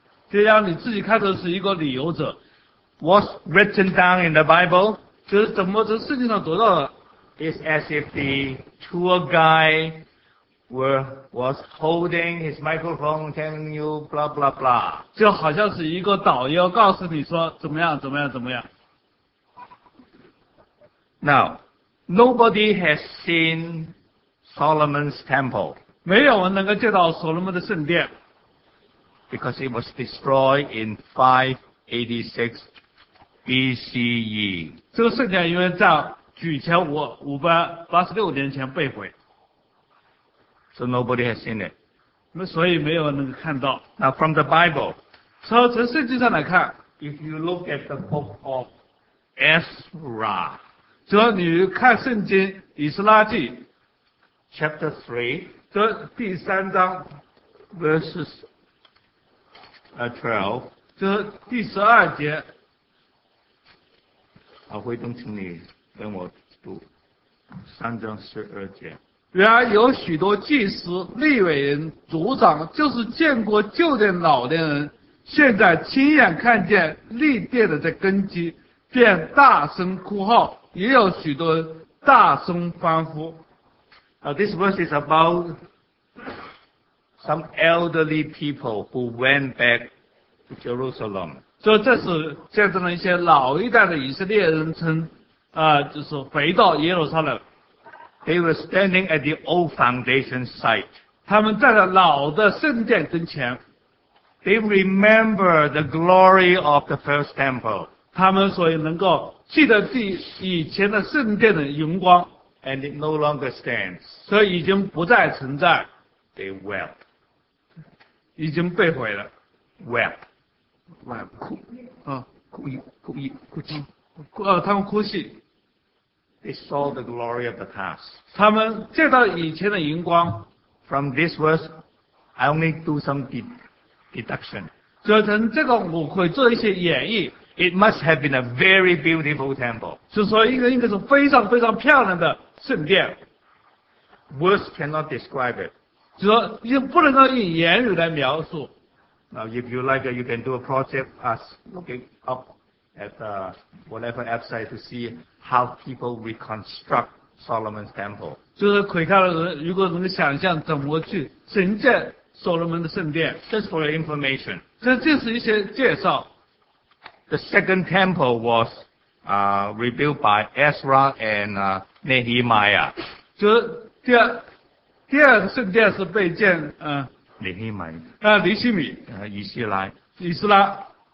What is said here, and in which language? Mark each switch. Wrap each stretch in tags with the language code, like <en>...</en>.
<zh>就让你自己看成是一个旅游者。</zh> <en>What's written down in the Bible?</en> <zh>就是怎么从圣经上读到的</zh> <en>？It's as if the tour guide was holding his microphone, telling you blah blah blah.</en> <zh>就好像是一个导游告诉你说怎么样怎么样怎么样。</zh> <en>Now, nobody has seen Solomon's temple.</en> <zh>没有人能够见到所罗门的圣殿。</zh> <en>Because it was destroyed in 586 BCE.</en> <zh>这个圣殿因为在主前586年前被毁。</zh> <en>So nobody has seen it.</en> <zh>所以没有人能够看到。</zh> <en>Now from the Bible.</en> <zh>从圣经上来看</zh> <en>,if you look at the book of Ezra,</en> <zh>只要你看圣经以斯拉记</zh> <en>,chapter 3,</en> <zh>这第三章</zh> <en>,verses 12,</en> <zh>这第12节。好，辉东请你跟我读三章十二节。然而有许多祭司、利未人、族长，就是见过旧殿老的人，现在亲眼看见立殿的在根基，便大声哭号。也有许多大声欢呼。</zh> <en>This verse is about some elderly people who went back to Jerusalem.</en> <zh>所以这是见证了一些老一代的以色列人称就是回到耶路撒冷。</zh> <en>They were standing at the old foundation site.</en> <zh>他们站在老的圣殿跟前。</zh> <en>They remember the glory of the first temple.</en> <zh>他们所以能够记得以前的圣殿的荣光</zh> <en>，and it no longer stands，</en> <zh>所以已经不再存在。</zh> <en>They wept，</en> <zh>已经被毁了。</zh> <en>Wept，</en> <zh>哭，哭泣，他们哭泣。</zh> <en>They saw the glory of the past，</en> <zh>他们见到以前的荣光。</zh> <en>From this verse， I only do some deduction，</en> <zh>所以从这个我会做一些演绎。</zh> <en>It must have been a very beautiful temple.</en> <zh>是说应该是非常非常漂亮的圣殿。</zh> <en>Words cannot describe it.</en> <zh>是说也不能够以言语来描述。</zh> <en>Now, if you like, you can do a project as looking up at whatever website to see how people reconstruct Solomon's temple.</en> <zh>就是可以看到如果能够想象怎么去重建所罗门的圣殿。</zh> <en>Just for your information.</en> <zh>这是一些介绍。</zh> <en>The second temple was rebuilt by Ezra and Nehemiah.</en> <zh>就是第二第二个圣殿是被建尼希米尼希米以斯拉以斯拉</zh>